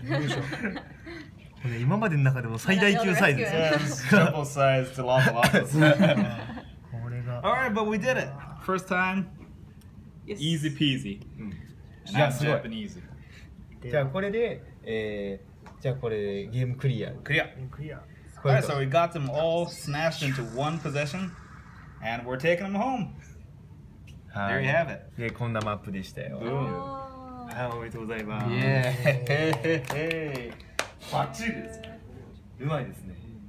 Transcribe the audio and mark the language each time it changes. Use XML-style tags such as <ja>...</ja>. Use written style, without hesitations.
<ja>これ今までの中でも最大級サイズですよ。</ja> <en>Double size to lots of lots. Alright, but we did it! First time, easy peasy. And that's Japanese.</en> <ja>じゃあこれで、じゃあこれでゲームクリア。クリア。</ja> <en>Alright, so we got them all smashed into one possession and we're taking them home. There you have it.</en> <ja>Yeah, こんなマップでしたよ。</ja> <en>Boom. Oh.</en> <ja>おめでとうございます。</ja> <en>Yeah. Hey, hey, hey.</en> <ja>バッチリです。うまいですね。</ja>